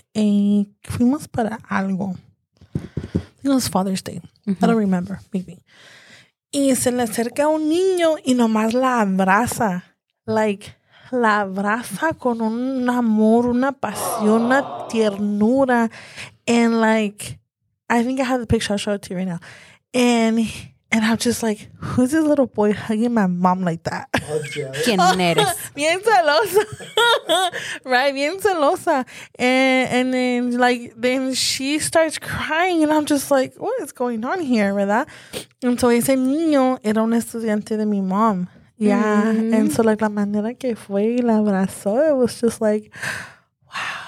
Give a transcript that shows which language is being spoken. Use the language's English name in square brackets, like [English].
[English] And [Spanish] fuimos para algo. [English] I think it was Father's Day. Mm-hmm. I don't remember, maybe. [Spanish] Y se le acerca un niño y nomás la abraza. Like, la abraza con un amor, una pasión, una ternura. [English] And, like, I think I have the picture. I'll show it to you right now. And I'm just like, who's this little boy hugging my mom like that? [Spanish] ¿Quién eres? Bien celosa. Right? Bien celosa. [English] And then, like, then she starts crying. And I'm just like, what is going on here, verdad? [Spanish] And so ese niño era un estudiante de mi mom. Yeah. Mm-hmm. [English] And so, like, [Spanish] la manera que fue y la abrazó, [English] it was just like, wow.